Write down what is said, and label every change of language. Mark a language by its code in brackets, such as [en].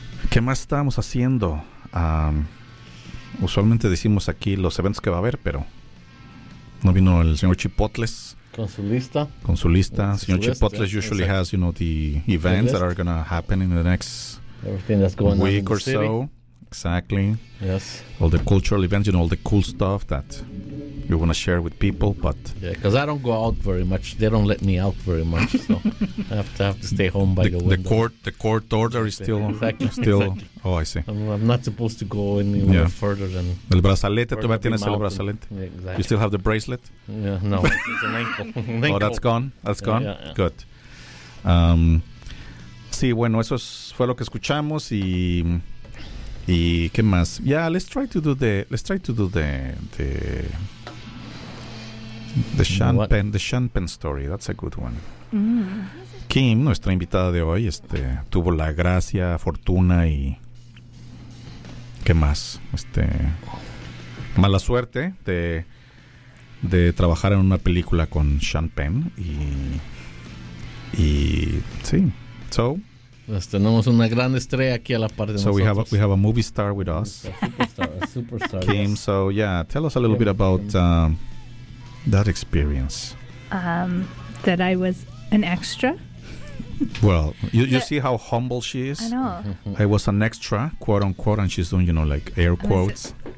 [es] ¿Qué más estábamos haciendo? Usualmente decimos aquí los eventos que va a haber, pero no vino el señor Chipotles. Con su lista. [en] Señor Chipotles usually has, you know, the events that are going to happen in the next week or so. Exactly. Yes. All the cultural events, you know, all the cool stuff that we want to share with people, but yeah, because I don't go out very much. They don't let me out very much, so I have to stay home by the window. The court order is still exactly. Oh, I see. I'm not supposed to go any further than [es] el brazalete. Tú ya tienes el brazalete. [en] Yeah, exactly. You still have the bracelet? Yeah, no, it's an ankle. Oh, that's gone. That's gone. Yeah. Good. [es] Sí, bueno, eso fue lo que escuchamos y. ¿Y qué más? [en] Yeah, let's try to do the Sean Penn story. That's a good one. Mm. [es] Kim, nuestra invitada de hoy, tuvo la gracia, fortuna y ¿qué más? Mala suerte de trabajar en una película con Sean Penn y sí. [en] So [es] tenemos una gran estrella aquí a la par de nosotros. [en] So we have a movie star with us. A superstar. Kim, yes. So yeah, tell us a little bit about that experience. That I was an extra. Well, you see how humble she is. I know. I was an extra, quote unquote, and she's doing, you know, like air quotes.